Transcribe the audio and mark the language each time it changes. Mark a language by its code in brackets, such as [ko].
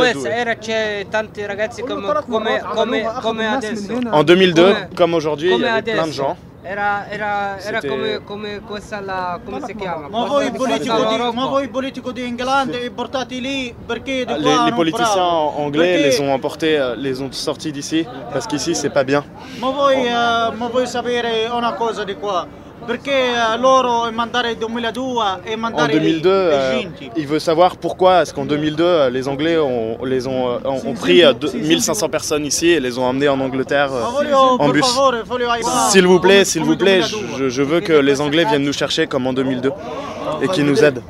[it] Era c'è tanti ragazzi come adesso. [fr] En 2002, comme aujourd'hui, il y avait plein de gens. [it] Era come questa la, come si chiama? Ma voi politico di Inghilterra li portati lì perché di qua? [fr] Les politiciens anglais les ont sortis d'ici parce qu'ici c'est pas bien. [it] Ma voi sapere una cosa di qua? Perché loro mandare 2002 e mandare [fr] in 2002 il veut savoir pourquoi est-ce qu'en 2002 les Anglais ont pris 1500 personnes ici et les ont amenés en Angleterre en bus. S'il vous plaît, je veux que les Anglais viennent nous chercher comme en 2002 et qu'ils nous aident.